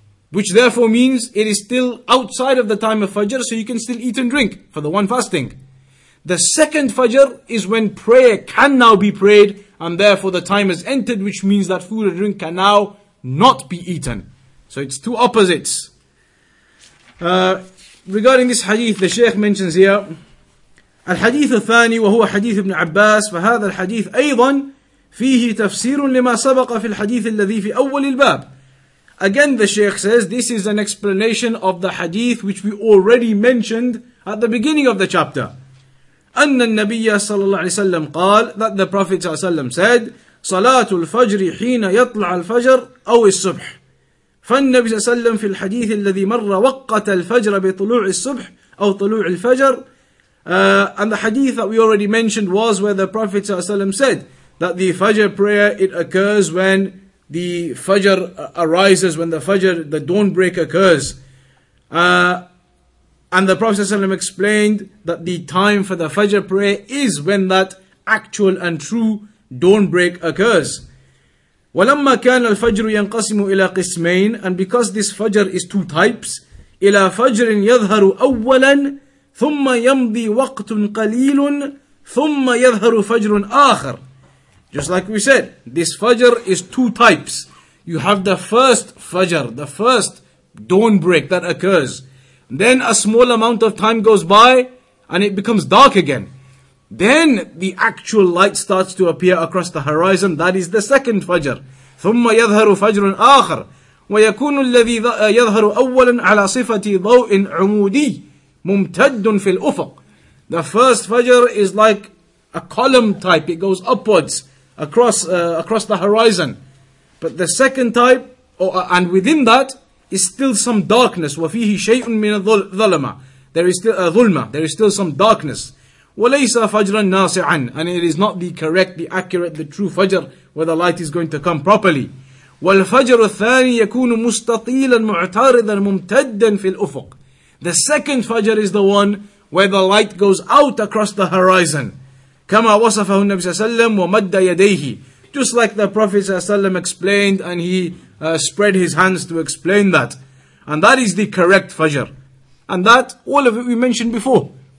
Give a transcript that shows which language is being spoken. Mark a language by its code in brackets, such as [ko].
[en] Which therefore means it is still outside of the time of Fajr, so you can still eat and drink for the one fasting. The second Fajr is when prayer can now be prayed, and therefore the time has entered, which means that food and drink can now not be eaten. So it's two opposites. Regarding this hadith, the Shaykh mentions here, [ar] الحديث الثاني وهو حديث ابن عباس فهذا الحديث أيضا فيه تفسير لما سبق في الحديث الذي في أول الباب. [en] Again, the Shaykh says, this is an explanation of the hadith which we already mentioned at the beginning of the chapter. [ar] أن النبي صلى الله عليه وسلم قال, [en] that the Prophet صلى الله عليه وسلم said, [ar] صلاة الفجر حين يطلع الفجر أو الصبح. فالنبي صلى الله عليه وسلم في الحديث الذي مر وقت الفجر بطلوع الصبح أو طلوع الفجر. [en] And the hadith that we already mentioned was where the Prophet صلى الله عليه وسلم said that the Fajr prayer, it occurs when the Fajr arises, when the Fajr, the dawn break occurs. And the Prophet صلى الله عليه وسلم explained that the time for the Fajr prayer is when that actual and true dawn break occurs. [ar] ولما كان الفجر ينقسم إلى قسمين, [en] and because this fajr is two types, [ar] إلى فجر يظهر أولا ثم يمضي وقت قليل ثم يظهر فجر آخر. [en] Just like we said, this fajr is two types. You have the first fajr, the first dawn break that occurs. Then a small amount of time goes by and it becomes dark again. Then the actual light starts to appear across the horizon. That is the second fajr. [ar] ثُمَّ يَظْهَرُ فَجْرٌ آخَرٌ وَيَكُونُ الَّذِي يَظْهَرُ أَوَّلًا عَلَى صِفَةِ ضَوْءٍ عُمُودِي مُمْتَدٌ فِي الْأُفَقِ. [en] The first fajr is like a column type. It goes upwards across the horizon. But the second type, and within that, is still some darkness. [ar] وَفِيهِ شَيْءٌ مِنَ الظُّلْمَةِ. [en] There is still a ظُلْمَة. There is still some darkness. [ar] وَلَيْسَ فَجْرًا نَاسِعًا. [en] And it is not the correct, the accurate, the true fajr, where the light is going to come properly. [ar] وَالْفَجْرُ الثَّانِي يَكُونُ مُسْتَطِيلًا مُعْتَارِضًا مُمْتَدًّا فِي الْأُفُقِ. [en] The second fajr is the one where the light goes out across the horizon. [ar] كَمَا وَصَفَهُ النَّبِي صَلَّى اللَّهُ عَلَيْهِ وَسَلَّمَ وَمَدَّ يَدَيْهِ. [en] Just like the Prophet ﷺ explained, and he spread his hands to explain that. And that is the correct fajr. And that, all of it we mentioned before.